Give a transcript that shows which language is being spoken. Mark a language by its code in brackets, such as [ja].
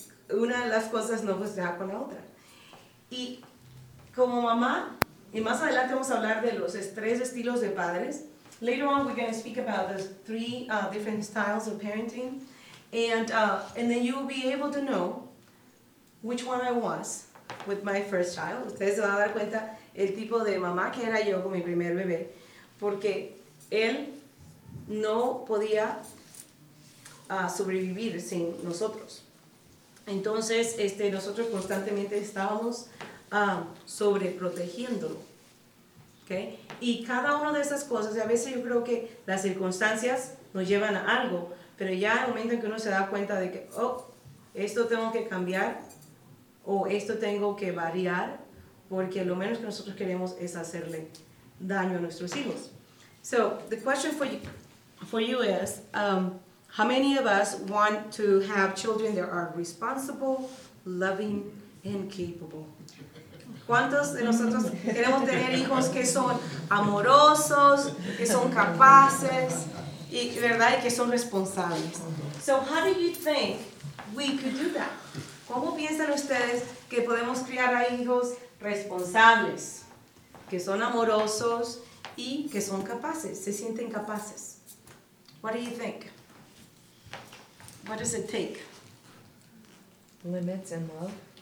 [es] Una de las cosas no funcionaba con la otra. Y como mamá, y más adelante vamos a hablar de los tres estilos de padres. [en] Later on, we're going to speak about the three different styles of parenting. And then you'll be able to know which one I was with my first child. [es] Ustedes se van a dar cuenta el tipo de mamá que era yo con mi primer bebé. Porque él no podía sobrevivir sin nosotros. Entonces, nosotros constantemente estábamos sobreprotegiéndolo. ¿Okay? Y cada una de esas cosas, a veces yo creo que las circunstancias nos llevan a algo, pero ya al momento en que uno se da cuenta de que, oh, esto tengo que cambiar, o esto tengo que variar, porque lo menos que nosotros queremos es hacerle daño a nuestros hijos. [en] So, the question for you is, how many of us want to have children that are responsible, loving, and capable? [es] ¿Cuántos de nosotros queremos tener hijos que son amorosos, que son capaces, y, ¿verdad? Y que son responsables? [en] So how do you think we could do that? [es] ¿Cómo piensan ustedes que podemos criar a hijos responsables, que son amorosos y que son capaces, se sienten capaces? [en] What do you think? What does it take? Limits and love.